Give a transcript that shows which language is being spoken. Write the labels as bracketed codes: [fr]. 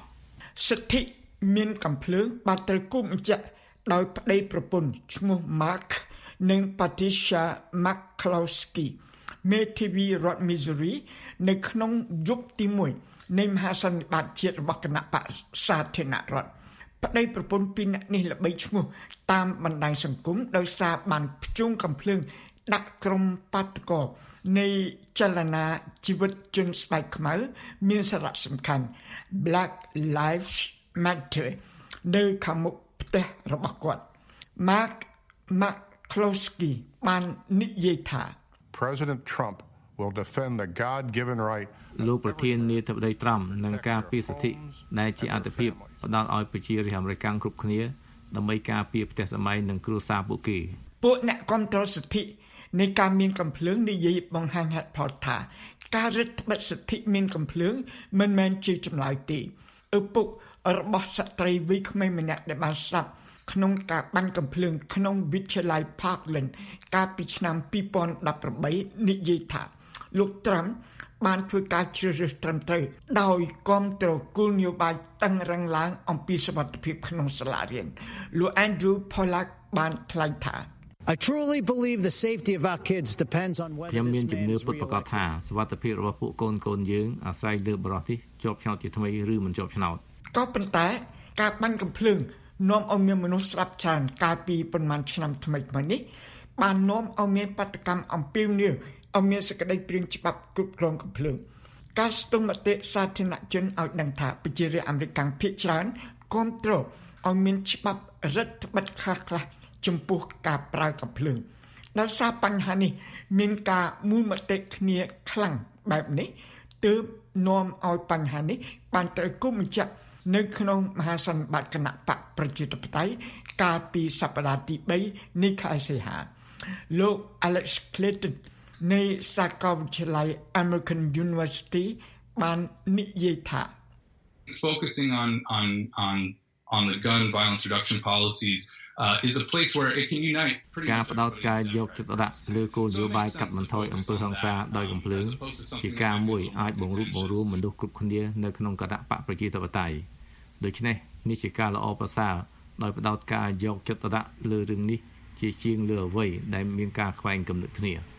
[km] សិទ្ធិមានកំភ្លើងបាត់ត្រូវគុំអញ្ចឹងដោយប្តីប្រពន្ធឈ្មោះ Mark និង Patricia McClowski មេធាវីរដ្ឋ Missouri នៅក្នុងយុគទី1នៃមហាសន្និបាតជាតិរបស់គណៈបកសាធារណរដ្ឋប្តីប្រពន្ធពីរនាក់នេះល្បីឈ្មោះតាមបណ្ដាញសង្គមដោយសារបានផ្ជុំកំភ្លើងដាក់ក្រុមបាតកោ នៃចលនាជីវិតជនស្បែកខ្មៅមានសារៈសំខាន់ Black Lives Matter នៅខាងមុខផ្ទះរបស់គាត់ Mark McClowski បាននិយាយថា [en] President Trump will defend the God-given right [km] លោកប្រធាននាយកប្តី Trump នឹងការពារសិទ្ធិដែលជាអធិភាពផ្ដល់ឲ្យប្រជារាស្ត្រអាមេរិកគ្រប់គ្នាដើម្បីការពារផ្ទះសម្បែងនិងគ្រួសារពួកគេ ពួកអ្នកគាំទ្រសិទ្ធិនៃការមានកំភ្លើងនិយាយបង្ហាញថាក ការរឹតបិទសិទ្ធិមានកំភ្លើងមិនមែនជាចម្លើយទេឪពុករបស់ស្ត្រីវ័យក្មេងម្នាក់ដែលបានស្លាប់ក្នុងការបាញ់កំភ្លើងក្នុងវិទ្យាល័យ Parkland កាលពីឆ្នាំ2018និយាយថាលោកត្រាំបានធ្វើការជ្រើសរើសត្រឹមត្រូវដោយគាំទ្រគោលនយោបាយតឹងរឹងឡើងអំពីសុវត្ថិភាពក្នុងសាលារៀនលោក Andrew Pollack បានថ្លែងថា [en] I truly believe the safety of our kids depends on whether [km] មានជំនឿពិតប្រាកដថាសុវត្ថិភាពរបស់ពួកកូនកូនយើងអាស្រ័យលើបរិបទនេះជាប់ឆ្នោតជាថ្មីឬមិនជាប់ឆ្នោត ក៏ប៉ុន្តែការបាញ់កំភ្លើងនាំឲ្យមានមនុស្សស្លាប់ច្រើនកាលពីប៉ុន្មានឆ្នាំថ្មីនេះបាននាំឲ្យមានបាតុកម្មអំពីលនេះអមេរិកសក្តិព្រៀងច្បាប់គ្រប់គ្រងកំភ្លើង កាស្ទុំមតិសាធារណជនឲ្យដឹងថាប្រជារាជអាមេរិកខាងភាគច្រើនគាំទ្រឲ្យមានច្បាប់រដ្ឋបិទខ្លះខ្លះចំពោះការប្រើកំភ្លើង ដោយសារបញ្ហានេះមានការមូលមតិគ្នាខ្លាំងបែបនេះទើបនាំឲ្យបញ្ហានេះបានត្រូវគុំបញ្ជាក់នៅក្នុងមហាសន្និបាតគណៈបកប្រជាធិបតេយ្យកាលពីសប្តាហ៍ទី3នៃខែសីហាលោក Alex Clinton នៃសាកលវិទ្យាល័យ American University បាននិយាយថា [en] focusing on the gun violence reduction policies is a place where it can unite pretty [km] ការផ្ដោតការយកចិត្តទុកដាក់លើគោលនយោបាយកាត់បន្ថយអំពើហិង្សាដោយកំភ្លើងជាការមួយអាចបង្រួបបង្រួមមនុស្សគ្រប់គ្នានៅក្នុងគណបកប្រជាធិបតេយ្យដូច្នេះនេះជាការល្អប្រសើរដោយផ្ដោតការយកចិត្តទុកដាក់លើរឿងនេះជាជាងលើអ្វីដែលមានការខ្វែងគំនិតគ្នា